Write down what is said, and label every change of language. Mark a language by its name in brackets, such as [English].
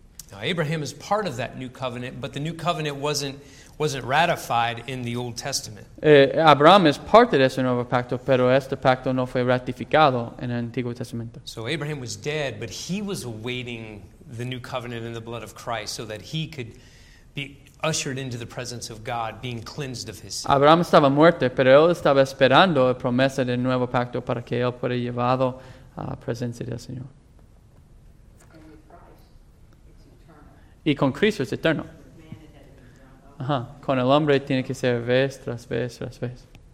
[English] Now Abraham is part of that new covenant, but the new covenant wasn't ratified in the Old Testament. [Spanish] Abraham es parte de ese nuevo pacto, pero este pacto no fue ratificado en el Antiguo Testamento. [English] So Abraham was dead, but he was awaiting the new covenant in the blood of Christ so that he could be ushered into the presence of God, being cleansed of his sin. [Spanish] Abraham estaba muerto, pero él estaba esperando la promesa del nuevo pacto para que él pueda llevado a la presencia del Señor. Y con Cristo es eterno. Ajá. Con el hombre tiene que ser vez tras vez tras vez.